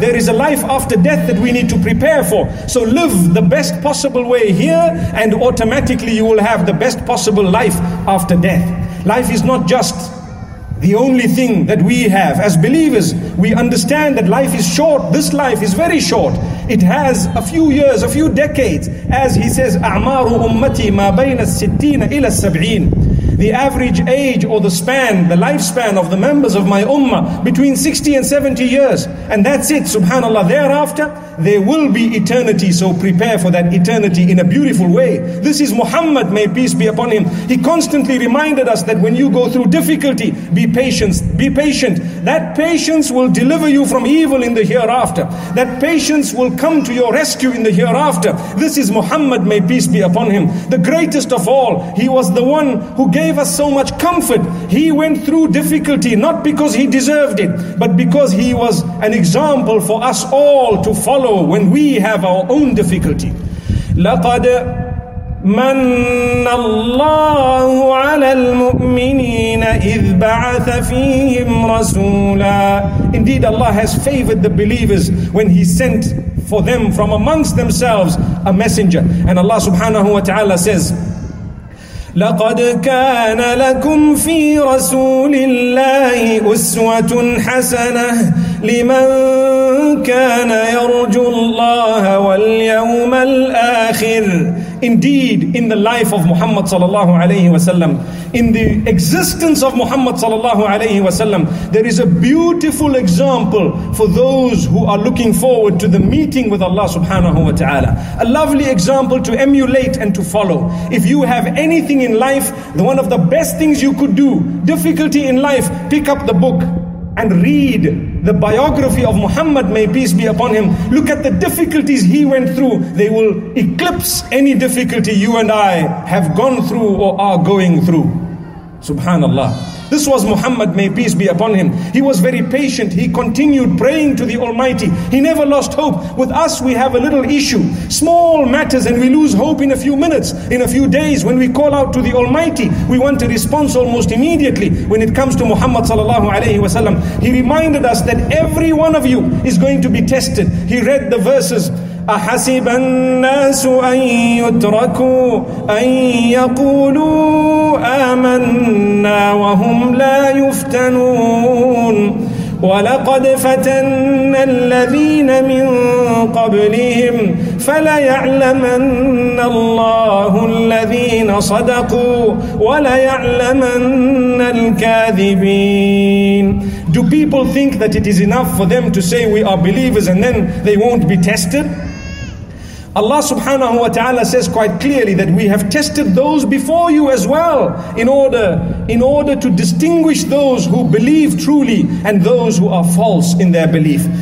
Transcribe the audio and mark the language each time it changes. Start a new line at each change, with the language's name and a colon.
English: There is a life after death that we need to prepare for. So live the best possible way here, and automatically you will have the best possible life after death. Life is not just the only thing that we have. As believers, we understand that life is short. This life is very short. It has a few years, a few decades. As he says,
Arabic: أَعْمَارُ أُمَّتِي مَا بَيْنَ السِّتِّينَ إِلَى السَّبْعِينَ.
English: The average age, or the span, the lifespan of the members of my ummah, between 60 and 70 years. And that's it, subhanAllah. Thereafter, there will be eternity. So prepare for that eternity in a beautiful way. This is Muhammad, may peace be upon him. He constantly reminded us that when you go through difficulty, be patient. That patience will deliver you from evil in the hereafter. That patience will come to your rescue in the hereafter. This is Muhammad, may peace be upon him. The greatest of all, he was the one who gave us so much comfort. He went through difficulty, not because he deserved it, but because he was an example for us all to follow when we have our own difficulty.
Arabic: لقد من الله على المؤمنين إذ بعث فيهم رسولا.
English: Indeed, Allah has favored the believers when He sent for them from amongst themselves a messenger. And Allah subhanahu wa ta'ala says,
Arabic: لقد كان لكم في رسول الله أسوة حسنة لمن كان يرجو الله واليوم الآخر.
English: Indeed, in the life of Muhammad sallallahu alayhi wa sallam, in the existence of Muhammad sallallahu alayhi wa sallam, there is a beautiful example for those who are looking forward to the meeting with Allah subhanahu wa ta'ala. A lovely example to emulate and to follow. If you have anything in life, one of the best things you could do, difficulty in life, pick up the book and read the biography of Muhammad, may peace be upon him. Look at the difficulties he went through. They will eclipse any difficulty you and I have gone through or are going through. Subhanallah. This was Muhammad, may peace be upon him. He was very patient. He continued praying to the Almighty. He never lost hope. With us, we have a little issue. Small matters, and we lose hope in a few minutes, in a few days. When we call out to the Almighty, we want a response almost immediately. When it comes to Muhammad sallallahu alayhi wasallam, he reminded us that every one of you is going to be tested. He read the verses.
Arabic: أحسب الناس أن يتركوا أن يقولوا آمنا وهم لا يفتنون ولقد فتن الذين من قبلهم فليعلمن الله الذين صدقوا وليعلمن الكاذبين.
English: Do people think that it is enough for them to say we are believers and then they won't be tested? Allah subhanahu wa ta'ala says quite clearly that we have tested those before you as well in order to distinguish those who believe truly and those who are false in their belief.